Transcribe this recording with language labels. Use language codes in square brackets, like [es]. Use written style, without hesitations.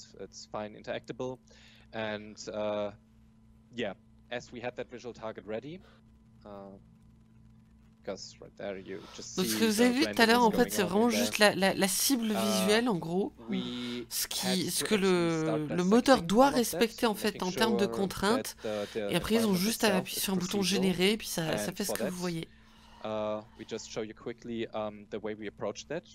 [en] It's fine, interactable. And as we had that visual target ready, because right there you just see. [fr] Donc ce que vous avez vu tout à l'heure, en fait, c'est vraiment juste la cible visuelle, en gros, ce que le moteur doit respecter en fait en termes de contraintes. Et après, ils ont juste à appuyer sur un bouton générer, puis ça fait ce que vous voyez. [en] We just show you quickly the way we approached that.